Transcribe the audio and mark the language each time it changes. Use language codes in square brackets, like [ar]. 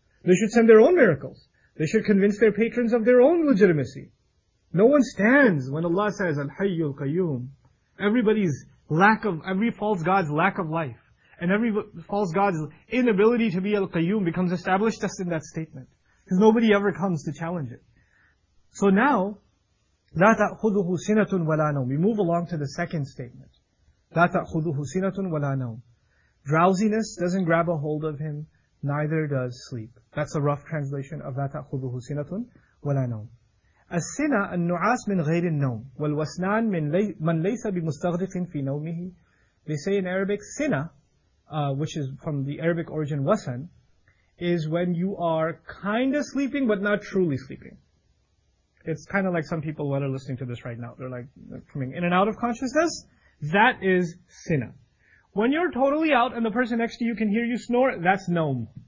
[en] They should send their own miracles. They should convince their patrons of their own legitimacy. No one stands when Allah says, Al-Hayyul Qayyum. Every false god's lack of life, and every false god's inability to be Al-Qayyum becomes established just in that statement. Because nobody ever comes to challenge it. So now, [ar] لا تأخذه سنة ولا نوم. [en] We move along to the second statement. [ar] لا تأخذه سنة ولا نوم. [en] Drowsiness doesn't grab a hold of him, neither does sleep. That's a rough translation of [ar] لا تأخذه سنة ولا نوم. السنة النعاس من غير النوم والوسنان من ليس بمستغرق في نومه. [en] They say in Arabic, سنة, which is from the Arabic origin wasan, is when you are kind of sleeping but not truly sleeping. It's kind of like some people that are listening to this right now. They're like coming in and out of consciousness. That is sinna. When you're totally out and the person next to you can hear you snore, that's nawm.